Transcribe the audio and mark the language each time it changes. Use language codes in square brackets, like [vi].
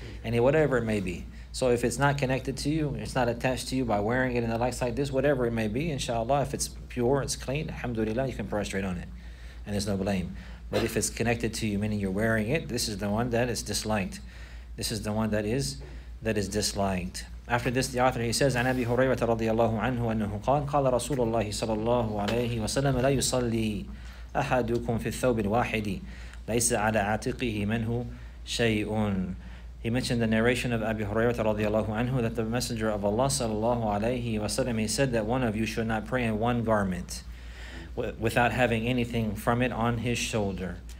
[en] Any, whatever it may be. So if it's not connected to you, it's not attached to you by wearing it and the likes like this, whatever it may be, inshallah, if it's pure, it's clean, alhamdulillah, you can prostrate on it. And there's no blame. But if it's connected to you, meaning you're wearing it, this is the one that is disliked. This is the one that is disliked. After this, the author, he says, [ar] عن أبي هريرة رضي الله عنه أنه قال قال رسول الله صلى الله عليه وسلم لا يصلي أحدكم في الثوب الواحد ليس على عاتقه منه شيء. [en] He mentioned the narration of Abu Hurairah radiallahu anhu that the Messenger of Allah sallallahu alayhi wa sallam, he said that one of you should not pray in one garment without having anything from it on his shoulder.